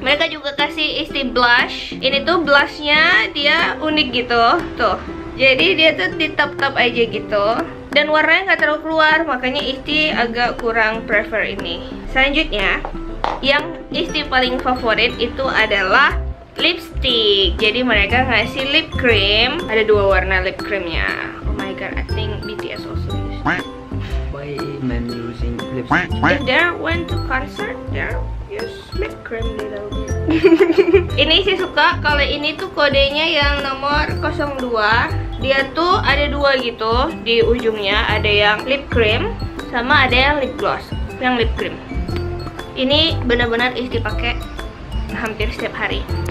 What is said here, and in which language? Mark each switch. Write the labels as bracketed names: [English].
[Indonesian] Mereka juga kasih Isti blush. Ini tuh blush-nya dia unik gitu, tuh. Jadi dia tuh ditap-tap aja gitu. Dan warnanya nggak terlalu keluar, makanya Isti agak kurang prefer ini. Selanjutnya, yang Isti paling favorit itu adalah lipstick. Jadi mereka ngasih lip cream. Ada dua warna lip creamnya. [English] Oh my god, I think BTS also use it. Why men using lipstick? If they went to concert, they use lip cream little bit. [Indonesian] Ini sih suka, kalau ini tuh kodenya yang nomor 02. Dia tuh ada dua gitu di ujungnya. Ada yang lip cream, sama ada yang lip gloss. Yang lip cream ini benar-benar Isti pakai hampir setiap hari.